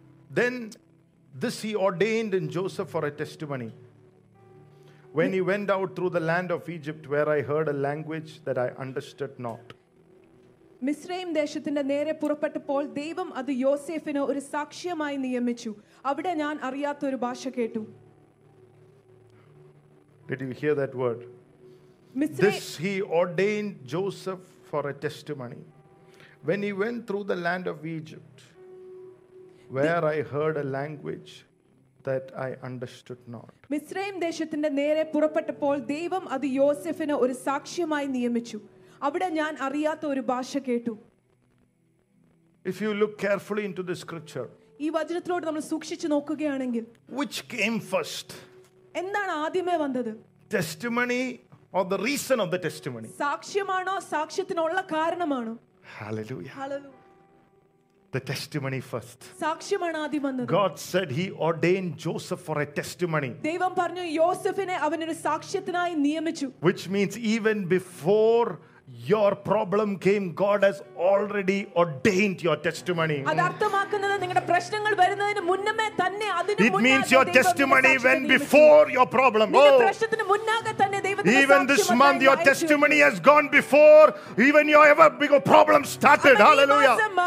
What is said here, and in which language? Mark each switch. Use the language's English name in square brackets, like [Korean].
[English] Then this he ordained in Joseph for a testimony. When he went out through the land of Egypt, where I heard a language that I understood not. [Malayalam] മിസ്രയീം ദേശത്തിന്റെ നേരെ പുറപ്പെട്ടപ്പോൾ ദൈവം അത് യോസേഫിന് ഒരു സാക്ഷ്യമായി നിയമിച്ചു. അവിടെ ഞാൻ അറിയാത്ത ഒരു ഭാഷ കേട്ടു. [English] Did you hear that word? This he ordained Joseph for a testimony. When he went through the land of Egypt, where I heard a language that I understood not. [Malayalam] മിസ്രയീം ദേശത്തിന്റെ നേരെ പുറപ്പെട്ടപ്പോൾ ദൈവം അത് യോസേഫിന് ഒരു സാക്ഷ്യമായി നിയമിച്ചു. അവിടെ ഞാൻ അറിയാത്ത ഒരു ഭാഷ കേട്ടു. [English] If you look carefully into the scripture, [Malayalam] ഈ വചനത്തിലോട്ട് നമ്മൾ സൂക്ഷിച്ചു നോക്കുകയാണെങ്കിൽ, [English] which came first? [Malayalam] എന്താണ് ആദ്യമേ വന്നത്? [English] Testimony or the reason of the testimony? [Malayalam] സാക്ഷ്യമാണോ സാക്ഷ്യത്തിനുള്ള കാരണമാണോ? [English] Hallelujah. Hallelujah. The testimony first. [Malayalam] സാക്ഷ്യമാണ് ആദ്യം വന്നത്. [English] God said he ordained Joseph for a testimony. [Malayalam] ദൈവം പറഞ്ഞു യോസേഫിനെ അവനൊരു സാക്ഷ്യത്തിനായി നിയമിച്ചു. [English] Which means even before your problem came, God has already ordained your testimony. [Malayalam] അതർത്ഥമാക്കുന്നത് നിങ്ങളുടെ പ്രശ്നങ്ങൾ വരുന്നതിന് മുന്നമേ തന്നെ അതിനു മുന്നേ. [English] It means your testimony when before your problem. [Malayalam] നിങ്ങളുടെ പ്രശ്നത്തിന് മുന്നാകെ തന്നെ ദൈവത്തിന്റെ [English] even this month your testimony has gone before even your ever big problem started. Hallelujah.